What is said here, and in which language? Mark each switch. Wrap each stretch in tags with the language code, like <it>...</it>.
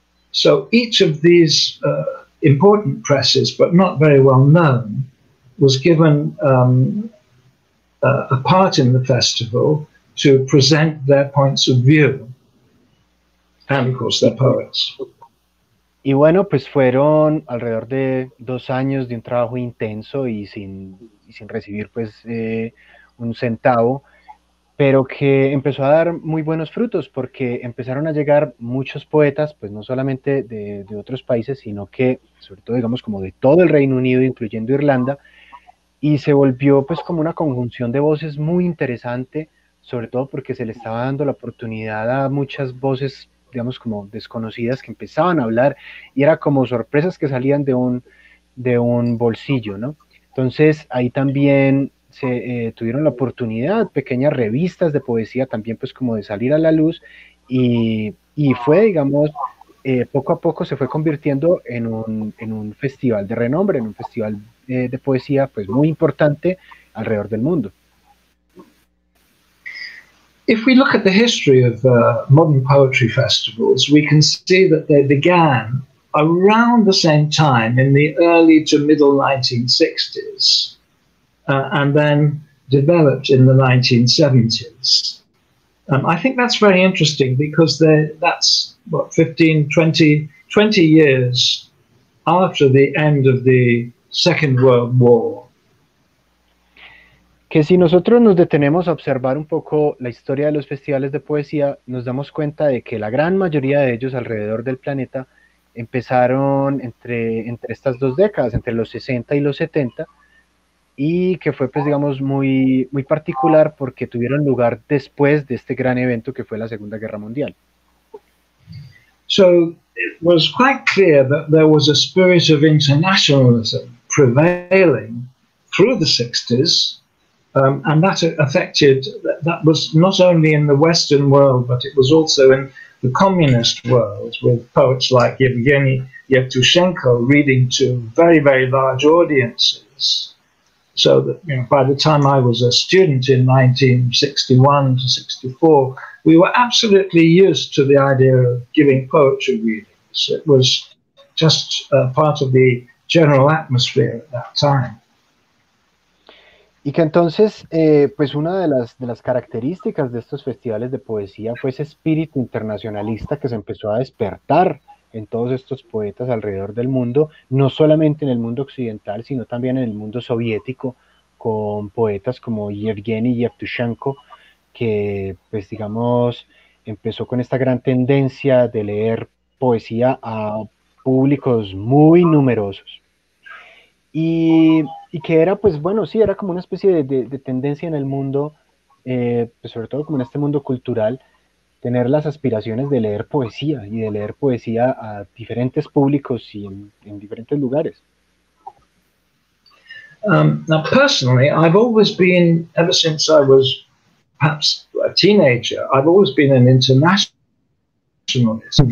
<en>So each of these important presses, but not very well known, was given a part in the festival to present their points of view. And of course, they're poets.</en> <es>Y bueno, pues fueron alrededor de 2 años de un trabajo intenso y sin recibir pues un centavo, pero que empezó a dar muy buenos frutos porque empezaron a llegar muchos poetas, pues no solamente de otros países, sino que sobre todo digamos como de todo el Reino Unido, incluyendo Irlanda, y se volvió pues como una conjunción de voces muy interesante, sobre todo porque se le estaba dando la oportunidad a muchas voces digamos como desconocidas que empezaban a hablar y era como sorpresas que salían de un bolsillo, ¿no? Entonces ahí también se tuvieron la oportunidad, pequeñas revistas de poesía también pues como de salir a la luz y fue digamos poco a poco se fue convirtiendo en un festival de renombre, en un festival de poesía pues muy importante alrededor del mundo.</es> <en>If we look at the history of modern poetry festivals, we can see that they began around the same time in the early to middle 1960s and then developed in the 1970s. I think that's very interesting because that's, what, 15, 20, 20 years after the end of the Second World War.</en> <es>Que si nosotros nos detenemos a observar un poco la historia de los festivales de poesía, nos damos cuenta de que la gran mayoría de ellos alrededor del planeta empezaron entre estas dos décadas, entre los 60 y los 70, y que fue pues digamos muy, muy particular porque tuvieron lugar después de este gran evento que fue la Segunda Guerra Mundial.</es> <en>So it was quite clear that there was a spirit of internationalism prevailing through the 60s. And that affected, that was not only in the Western world, but it was also in the communist world, with poets like Yevgeny Yevtushenko reading to very, very large audiences. So that, you know, by the time I was a student in 1961 to 64, we were absolutely used to the idea of giving poetry readings. It was just part of the general atmosphere at that time.</en> <es>Y que entonces, pues una de las características de estos festivales de poesía fue ese espíritu internacionalista que se empezó a despertar en todos estos poetas alrededor del mundo, no solamente en el mundo occidental, sino también en el mundo soviético, con poetas como Yevgeny Yevtushenko, que pues digamos empezó con esta gran tendencia de leer poesía a públicos muy numerosos. Y que era, pues bueno, sí, era como una especie de tendencia en el mundo, pues sobre todo como en este mundo cultural, tener las aspiraciones de leer poesía y de leer poesía a diferentes públicos y en diferentes lugares.</es> <en>Now, personally, I've always been, ever since I was perhaps a teenager, I've always been an internationalist.</en>